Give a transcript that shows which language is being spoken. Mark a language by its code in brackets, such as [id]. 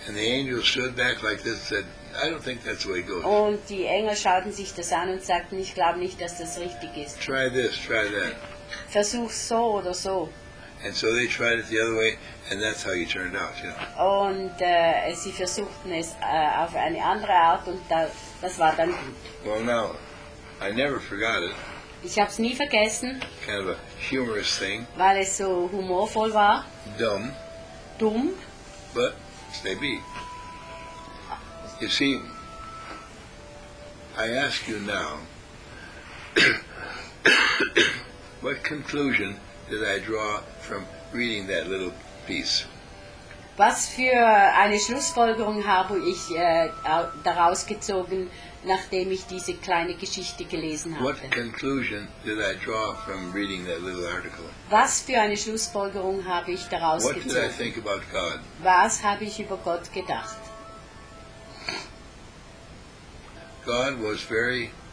[en] And the angel stood back like this and said, "I don't think that's the way it goes." [de] Und die Engel schauten sich das an und sagten, ich glaube nicht, dass das richtig ist. [en] Try this, try that. [de] Versuch so oder so. [en] And so they tried it the other way, and that's how you turned out, you know. [de] Und sie versuchten es auf eine andere Art, und das war dann gut. [en] Well, now, I never forgot it. [de] Ich habe es nie vergessen. [en] Kind of a humorous thing. [de] Weil es so humorvoll war. [en] Dumb. [de] Dumm. [en] But maybe. You see, I ask you now, what conclusion did I draw from reading that little piece? [de] Was für eine Schlussfolgerung habe ich daraus gezogen, nachdem ich diese kleine Geschichte gelesen hatte. [en] What conclusion did I draw from reading that little article? [de] Was für eine Schlussfolgerung habe ich daraus [en] What [de] gezogen? [en] Did I think about God? [de] Was habe ich über Gott gedacht? [en] God was very